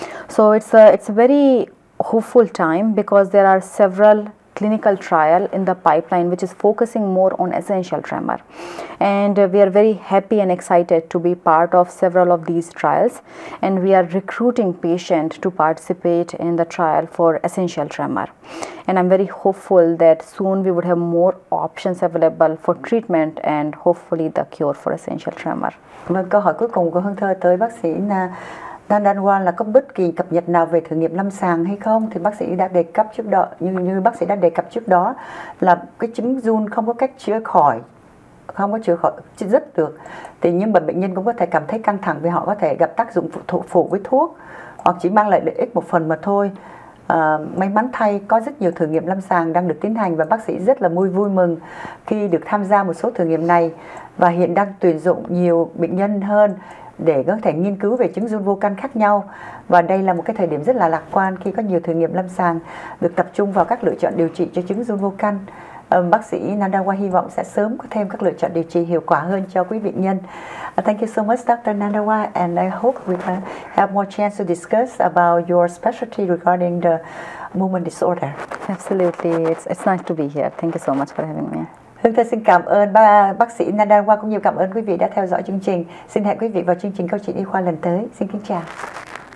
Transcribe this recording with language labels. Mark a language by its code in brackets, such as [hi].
[en] So it's a very hopeful time, because there are several clinical trial in the pipeline which is focusing more on essential tremor, and we are very happy and excited to be part of several of these trials, and we are recruiting patients to participate in the trial for essential tremor, and I'm very hopeful that soon we would have more options available for treatment and hopefully the cure for essential tremor. [vi] Và câu hỏi cuối cùng của Hương Thơ tới bác sĩ là Nandanwar là có bất kỳ cập nhật nào về thử nghiệm lâm sàng hay không? Thì bác sĩ đã đề cập trước đó, như bác sĩ đã đề cập trước đó là cái chứng run không có cách chữa khỏi, không có chữa khỏi chứ rất được. Thì nhưng mà bệnh nhân cũng có thể cảm thấy căng thẳng vì họ có thể gặp tác dụng phụ với thuốc hoặc chỉ mang lại lợi ích một phần mà thôi. May mắn thay có rất nhiều thử nghiệm lâm sàng đang được tiến hành và bác sĩ rất là vui mừng khi được tham gia một số thử nghiệm này và hiện đang tuyển dụng nhiều bệnh nhân hơn để có thể nghiên cứu về chứng run vô can khác nhau. Và đây là một cái thời điểm rất là lạc quan khi có nhiều thử nghiệm lâm sàng được tập trung vào các lựa chọn điều trị cho chứng run vô can. Bác sĩ Nandanwar hy vọng sẽ sớm có thêm các lựa chọn điều trị hiệu quả hơn cho quý vị nhân. [en] Thank you so much, Dr. Nandanwar, and I hope we can have more chance to discuss about your specialty regarding the movement disorder. Absolutely, it's nice to be here. Thank you so much for having me. [vi] Hương Thơ xin cảm ơn bác sĩ Nandanwar, cũng nhiều cảm ơn quý vị đã theo dõi chương trình. Xin hẹn quý vị vào chương trình Câu chuyện y khoa lần tới. Xin kính chào.